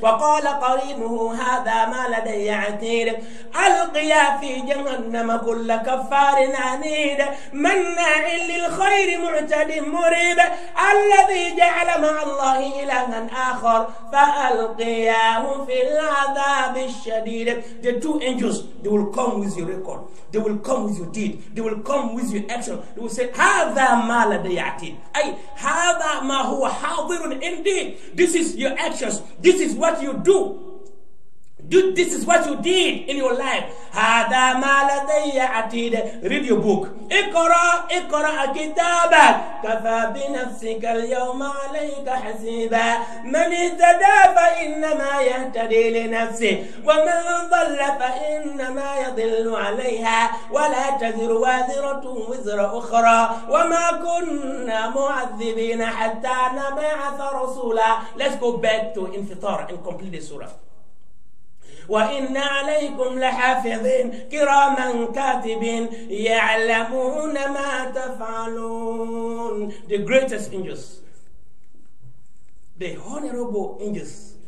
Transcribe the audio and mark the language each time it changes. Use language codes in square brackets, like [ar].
[ar] وقال قرينه هذا ما لدي عتيد ألقيا في جهنم كل كفار عنيد مناع للخير معتد مريب الذي جعل مع الله إلها آخر فألقياه في العذاب الشديد. [en] The two angels, they will come with your record, they will come with your deed, they will come with your action. They will say [ar] هذا ما لدي عتيد, أي هذا ما هو حاضر indeed. [en] This is your actions, this is what you do. Dude, this is what you did in your life. [ar] هذا ما لدي عتيد. [en] Read your book. [ar] اقرأ اقرأ كتابك. كفى بنفسك اليوم عليك حسيبا. من اهتدى فإنما يهتدي لنفسه. ومن ضل فإنما يضل عليها. ولا تزر وازرة وزر أخرى. وما كنا معذبين حتى نبعث رسولا. [en] Let's go back to Infitar and complete the surah. [ar] وَإِنَّ عَلَيْكُمْ لَحَافِظِينَ كِرَامًا كَاتِبِينَ يَعْلَمُونَ مَا تَفْعَلُونَ. [en] The greatest angels, the honorable angels,